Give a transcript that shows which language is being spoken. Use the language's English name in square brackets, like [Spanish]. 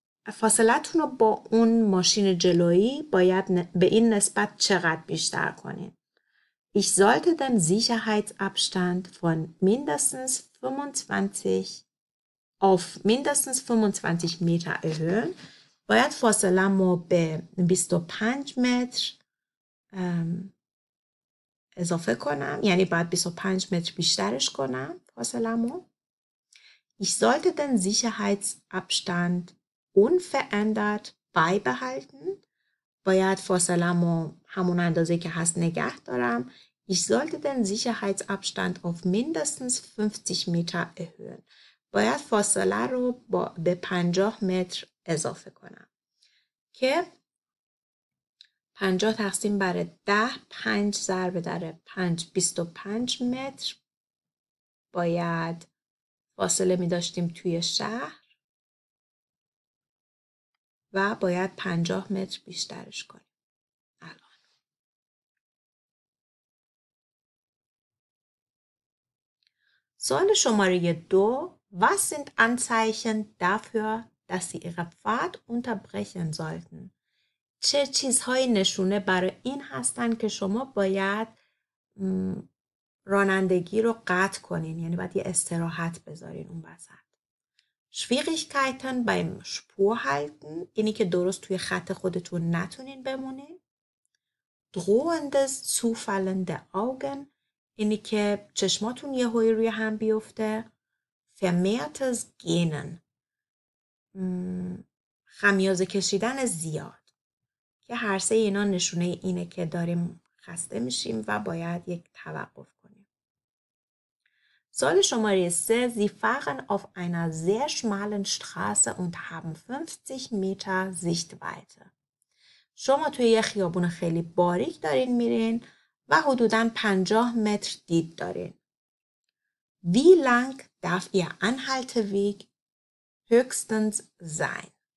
[Persian] فاصلتون رو با اون ماشین جلویی باید به این نسبت چقدر بیشتر کنید؟ [German] Ich sollte den Sicherheitsabstand von mindestens 25 auf mindestens 25 Meter erhöhen. [Persian] باید فاصله ما به 25 متر اضافه کنم. یعنی باید 25 متر بیشترش کنم فاصله ما. [German] Ich sollte den Sicherheitsabstand unverändert beibehalten. [Persian] باید فاصله ما همون اندازه که هست نگه دارم. [German] Ich sollte den Sicherheitsabstand auf mindestens 50 Meter erhöhen. [Persian] باید فاصله رو به 50 متر اضافه کنم. که 50 تقسیم بر 10 5 ضرب در 5 25 متر باید فاصله می داشتیم توی شهر و باید 50 متر بیشترش کنیم. سوال شماره دو [German] Was sind Anzeichen dafür, dass Sie Ihre Fahrt unterbrechen sollten? [Persian] چه چیزهای نشونه برای این هستن که شما باید رانندگی رو قطع کنین؟ یعنی باید یه استراحت بذارین اون وسط. [German] Schwierigkeiten beim Spurhalten, [Persian] اینی که درست توی خط خودتون نتونین بمونین. [German] Drohendes zufallende Augen, [Persian] اینی که چشماتون یه هایی روی هم بیفته. [German] Vermehrtes Gähnen. [Persian] خمیازه کشیدن زیاد. که هر سه اینا نشونه اینه که داریم خسته میشیم و باید یک توقف کنیم. سوال شماره سه. [German] Sie fahren auf einer sehr schmalen Straße und haben 50 Meter Sichtweite. [Persian] شما توی یه خیابون خیلی باریک دارین میرین و حدوداً 50 متر دید دارین. [German] Wie lang darf Ihr Anhalteweg höchstens sein?